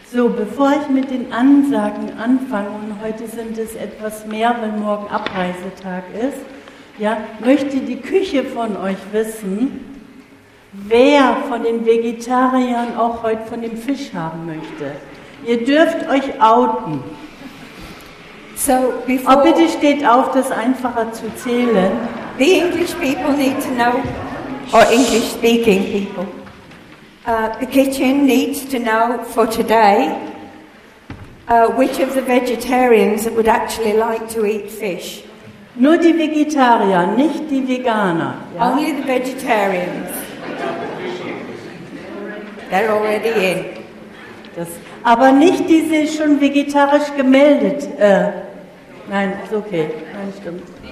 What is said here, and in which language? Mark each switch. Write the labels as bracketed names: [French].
[German] So, bevor ich mit den Ansagen anfange, und heute sind es etwas mehr, weil morgen Abreisetag ist, ja, möchte die Küche von euch wissen, wer von den Vegetariern auch heute von dem Fisch haben möchte. Ihr dürft euch outen. So, before, oh, bitte steht auf, das einfacher zu zählen. [English] The English people need to know, or English speaking people. The kitchen needs to know for today which of the vegetarians would actually like to eat fish. [German] Nur die Vegetarier, nicht die Veganer. [English] Ja? Only the vegetarians. They're already in. [German] Das, aber nicht diese schon vegetarisch gemeldet. Nein, ist okay. Nein, stimmt.